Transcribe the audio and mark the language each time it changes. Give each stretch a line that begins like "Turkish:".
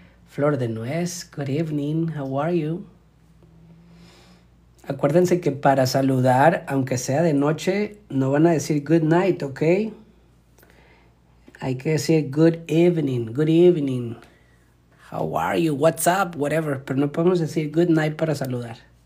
English: Flor de Nuez, good evening, how are you?
Spanish: Acuérdense que para saludar, aunque sea de noche, no van a decir
English: good night,
Spanish: ¿ok? Hay que decir
English: good evening, how are you, what's up, whatever.
Spanish: Pero no podemos decir
English: good night
Spanish: para saludar.